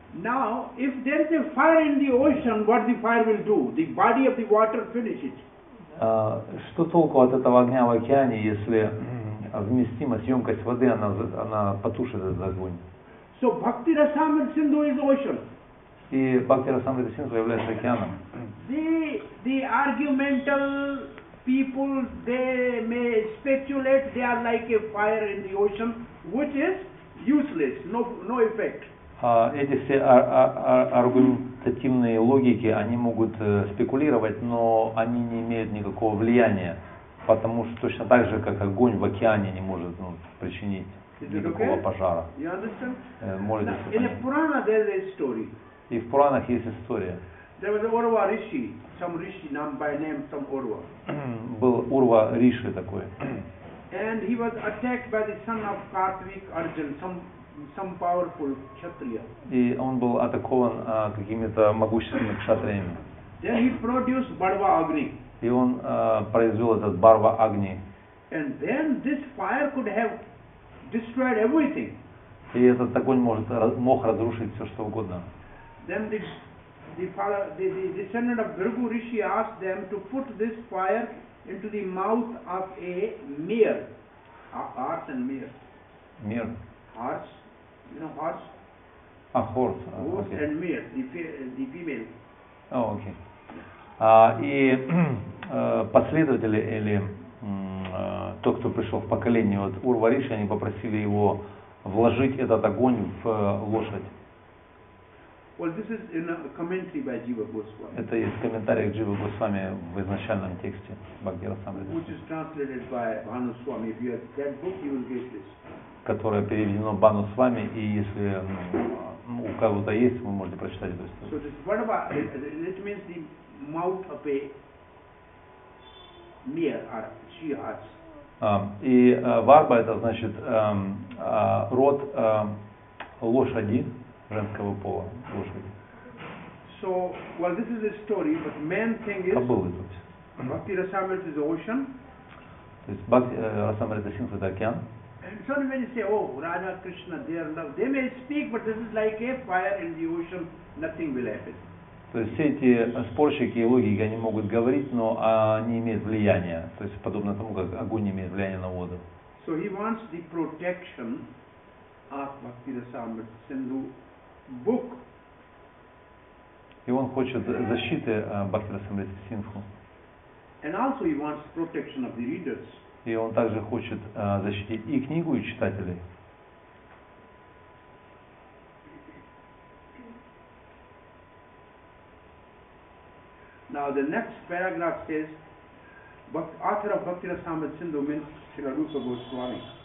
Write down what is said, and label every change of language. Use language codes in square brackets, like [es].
[en] Now, if there is a fire in the ocean, what the fire will do? The body of the water finish it. [ru] Что толку от этого огня в океане, если вместимость, емкость воды, она потушит этот огонь? [en] So, Bhakti Rasamrita Sindhu is ocean. [ru] И Бхакти Расамрита Синдху является океаном. [en] The argumental people, they may speculate, they are like a fire in the ocean, which is useless, no effect. [ru] Эти все аргументативные логики, они могут спекулировать, но они не имеют никакого влияния, потому что точно так же, как огонь в океане не может причинить никакого пожара. [en] In a Purana there is a story. [ru] И в Пуранах есть история. [en] There was a Urva Rishi, some Rishi, by name some Urva. [ru] Был Урва Риши такой. [en] And he was attacked by the son of Kartvik Arjun, some powerful kshatriya. [ru] И он был атакован какими-то могущественными кшатриями. [en] Then he produced Varba Agni. [ru] И он произвел этот Varba Agni. [en] And then this fire could have destroyed everything. [ru] И этот огонь мог разрушить все что угодно. [en] Then the descendant of Bhrigu Rishi asked them to put this fire into the mouth of a mare. Horse and mare. Mare. Horse. You know horse? A horse. Horse okay. And mare, the female. Oh, okay. [ru] И последователи или тот, кто пришел в поколение, вот Урва Риши, они попросили его вложить этот огонь в лошадь. [en] Well, this is in a commentary by Jiva Goswami. [ru] Это есть комментарий к Джива Госвами в изначальном тексте [en] Бхагавад-гиты. Which is translated by Bhanu Swami. If you have that book, you will get this. [ru] Которое переведено Бхану Свами, и если у кого-то есть, вы можете прочитать эту историю. [en] So this Varba, it means the mouth of a mare or she has. [ru] И Varba это значит рот лошади. Женского пола, лошади. [en] So, well, this is a story, but main thing is. [ru] Кобылы, то есть. Бхакти Расамрита [en] is ocean. [ru] То есть Бхакти Расамрита Синдху это океан. [en] And so when you say, oh, Radha Krishna, they are love, they may speak, but this is like a fire in the ocean, nothing will happen. [ru] То есть все эти спорщики и логики, они могут говорить, но они имеют влияние. То есть подобно тому, как огонь имеет влияние на воду. [en] So he wants the protection of Бхакти Расамрита Синдху. Book. [ru] И он хочет защиты Бхакти-расамриты Синдху. [en] And also he wants protection of the readers. [ru] И он также хочет защитить и книгу, и читателей. [en] Now the next paragraph says, author of Bhakti-расамрита Синдху means Śrīla Rūpa Gosvāmī.